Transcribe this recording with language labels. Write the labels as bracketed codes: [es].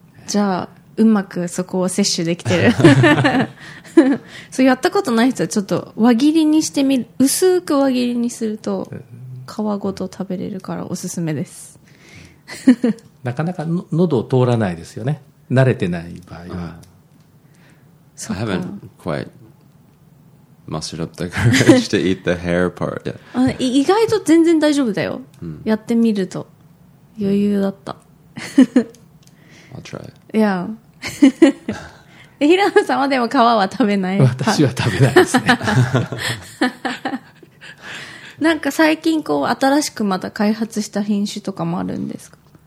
[ja] じゃあうまくそこを摂取できてるそうやったことない人はちょっと輪切りにしてみる、薄く輪切りにすると皮ごと食べれるからおすすめですなかなか喉を通らないですよね、慣れてない場合は。 [en] I haven't quite mustered up the courage to eat the hair part yet. [ja] 意外と全然大丈夫だよ、うん、やってみると余裕だった、 [en] うん、I'll try. Yeah. [ja] 平野さんはでも皮は食べない。私は食べないですねなんか最近こう新しくまた開発した品種とかもあるんですか。